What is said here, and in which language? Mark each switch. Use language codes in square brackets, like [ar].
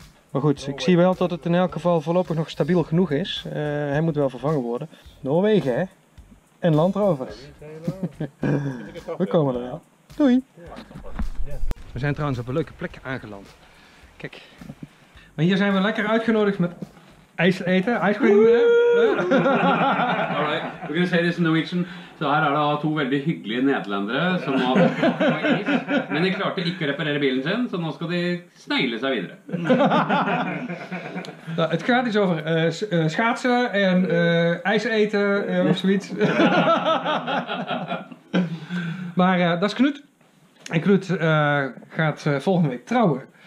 [nl] Maar goed, ik zie wel dat het in elk geval voorlopig nog stabiel genoeg is. Hij moet wel vervangen worden. Noorwegen, hè? En Land Rover. We komen er wel. Doei! We zijn trouwens op een leuke plek aangeland. Kijk, maar hier zijn we lekker uitgenodigd met ijs eten, [en] ice cream. All right, we're gonna say this in Norwegian. [no] Så her er det to veldig hyggelige nederlendere som har fått is, men de klarte ikke å reparere bilen sin, så nå skal de snegle seg videre. [nl] Ja, het gaat iets over schaatsen en ijs eten of zoiets. Maar dat is Knut. En Knut gaat volgende week trouwen.